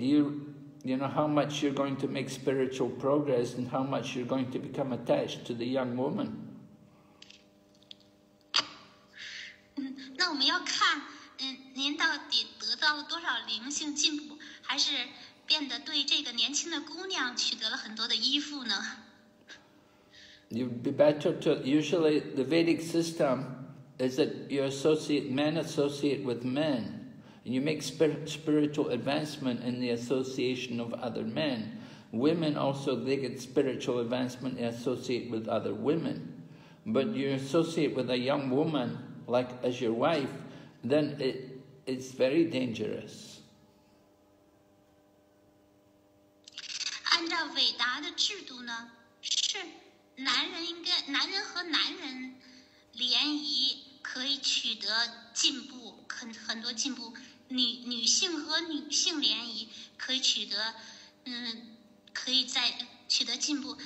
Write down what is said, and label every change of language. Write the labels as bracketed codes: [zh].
[en] Do you know how much you're going to make spiritual progress and how much you're going to become attached to the young woman? [zh] 那我们要看，您到底得到了多少灵性进步，还是变得对这个年轻的姑娘取得了很多的依附呢？ [en] You'd be better to, usually the Vedic system is that you associate, men associate with men. And you make spiritual advancement in the association of other men. Women also, they get spiritual advancement, they associate with other women. But you associate with a young woman, like as your wife, then it's very dangerous. [zh] 按照伟达的制度呢，是男人和男人联谊可以取得进步，很多进步。女性和女性联谊可以取得，可以再取得进步。